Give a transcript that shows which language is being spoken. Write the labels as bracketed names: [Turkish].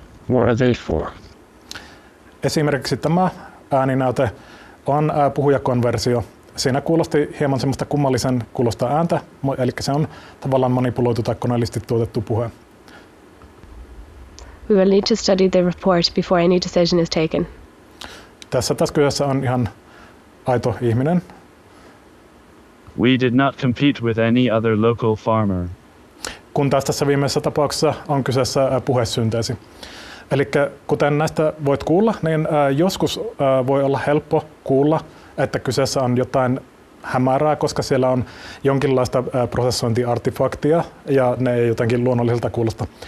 [English] What are they for? [Finnish] Esimerkiksi tämä ääninäyte on puhujakonversio. Siinä kuulosti hieman semmoista kummallisen kuulosta ääntä, eli se on tavallaan manipuloitu tai koneellisesti tuotettu puhe. [English] We will need to study the report before any decision is taken. [Finnish] Tässä kyseessä on ihan aito ihminen. [English] We did not compete with any other local farmer. [Finnish] Kun tässä viimeisessä tapauksessa on kyseessä puhesynteesi. Eli kuten näistä voit kuulla, niin joskus voi olla helppo kuulla, että kyseessä on jotain hämärää, koska siellä on jonkinlaista prosessointiartifaktia ja ne ei jotenkin luonnollisilta kuulosta.